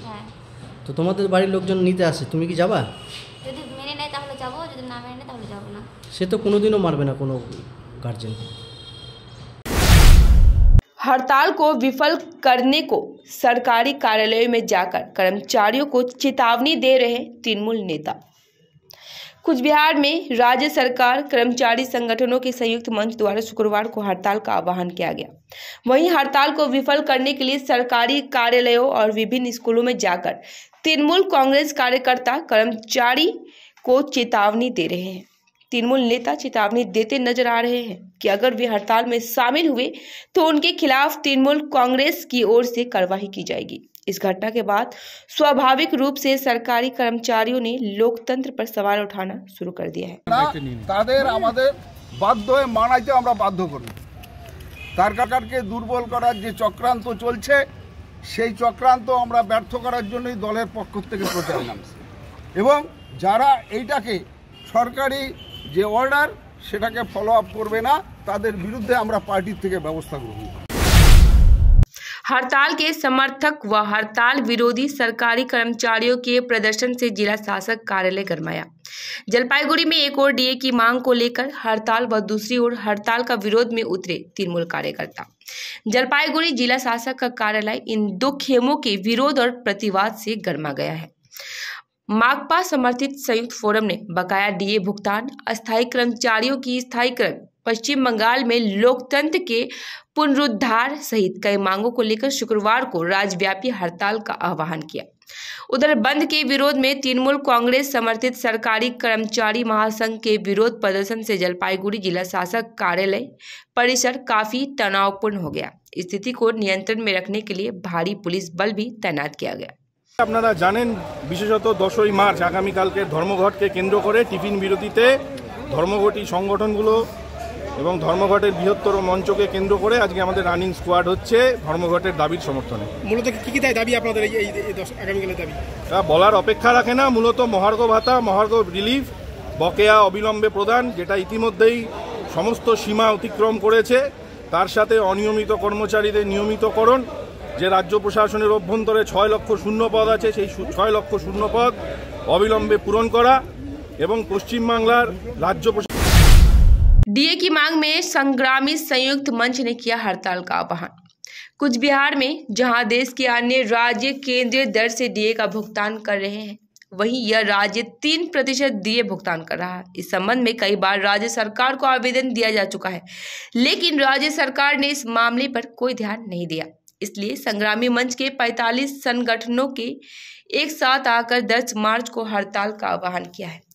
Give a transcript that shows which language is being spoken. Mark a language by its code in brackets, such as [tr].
[bn] হ্যাঁ তো তোমাদের বাড়ির লোকজন নিতে আসে তুমি কি যাবা যদি মেনে নেয় তাহলে যাব যদি না মেনে নেয় তাহলে যাব না সে তো কোনোদিনও মারবে না কোনো গার্জেন [hi] हड़ताल को विफल करने को सरकारी कार्यालय में जाकर कर्मचारियों को चेतावनी दे रहे तृणमूल नेता। कूचबिहार में राज्य सरकार कर्मचारी संगठनों के संयुक्त मंच द्वारा शुक्रवार को हड़ताल का आह्वान किया गया। वहीं हड़ताल को विफल करने के लिए सरकारी कार्यालयों और विभिन्न स्कूलों में जाकर तृणमूल कांग्रेस कार्यकर्ता कर्मचारी को चेतावनी दे रहे हैं। तृणमूल नेता चेतावनी देते नजर आ रहे हैं कि अगर वे हड़ताल में शामिल हुए तो उनके खिलाफ तृणमूल कांग्रेस की ओर से कार्रवाई की जाएगी। इस घटना के बाद स्वाभाविक रूप से सरकारी कर्मचारियों ने लोकतंत्र पर सवाल उठाना शुरू कर दिया है। [bn] তাদের আমাদের বাধ্য হয়ে মানাইতে আমরা বাধ্য করি। সরকারকে দুর্বল করার যে চক্রান্ত চলছে সেই চক্রান্ত আমরা ব্যর্থ করার জন্যই দলের পক্ষ থেকে প্রচার নামছে এবং যারা এইটাকে সরকারি যে অর্ডার সেটাকে ফলো আপ করবে না তাদের বিরুদ্ধে আমরা পার্টির থেকে ব্যবস্থা গ্রহণ করব। [hi] हड़ताल के समर्थक व हड़ताल विरोधी सरकारी कर्मचारियों के प्रदर्शन से जिला शासक कार्यालय गरमाया। जलपाईगुड़ी में एक ओर डीए की मांग को लेकर हड़ताल व दूसरी ओर हड़ताल का विरोध में उतरे तृणमूल कार्यकर्ता। जलपाईगुड़ी जिला शासक का कार्यालय इन दो खेमों के विरोध और प्रतिवाद से गरमा गया है। माकपा समर्थित संयुक्त फोरम ने बकाया डीए भुगतान, अस्थायी कर्मचारियों की स्थायीकरण, पश्चिम बंगाल में लोकतंत्र के पुनरुद्धार सहित कई मांगों को लेकर शुक्रवार को राज्यव्यापी हड़ताल का आह्वान किया। उधर बंद के विरोध में तृणमूल कांग्रेस समर्थित सरकारी कर्मचारी महासंघ के विरोध प्रदर्शन से जलपाईगुड़ी जिला शासक कार्यालय परिसर काफी तनावपूर्ण हो गया। स्थिति को नियंत्रण में रखने के लिए भारी पुलिस बल भी तैनात किया गया। [bn] আপনারা জানেন বিশেষত 10ই মার্চ আগামীকালকে ধর্মঘটকে কেন্দ্র করে টিফিন বিরতিতে ধর্মঘটি সংগঠনগুলো এবং ধর্মঘটের বৃহত্তর মঞ্চকে কেন্দ্র করে আজকে আমাদের রানিং স্কোয়াড হচ্ছে ধর্মঘটের দাবির সমর্থনে। মূলত কি কি দাবি আপনাদের এই আগামীকালের দাবি? বলার অপেক্ষা রাখে না, মূলত মহার্ঘ ভাতা, মহার্ঘ রিলিফ, বকেয়া অবিলম্বে প্রদান যেটা ইতিমধ্যেই সমস্ত সীমা অতিক্রম করেছে, তার সাথে অনিয়মিত কর্মচারীদের নিয়মিতকরণ, যে রাজ্য প্রশাসনের অভ্যন্তরে 6 লক্ষ শূন্য পদ আছে সেই 6 লক্ষ শূন্য পদ অবিলম্বে পূরণ করা এবং পশ্চিমবাংলার রাজ্য প্রশাসন। [hi] डीए की मांग में संग्रामी संयुक्त मंच ने किया हड़ताल का आह्वान। कूचबिहार में जहां देश के अन्य राज्य केंद्रीय दर से डीए का भुगतान कर रहे हैं वहीं यह राज्य 3% डीए भुगतान कर रहा है। इस संबंध में कई बार राज्य सरकार को आवेदन दिया जा चुका है लेकिन राज्य सरकार ने इस मामले पर कोई ध्यान नहीं दिया, इसलिए संग्रामी मंच के 45 संगठनों के एक साथ आकर 10 मार्च को हड़ताल का आह्वान किया है।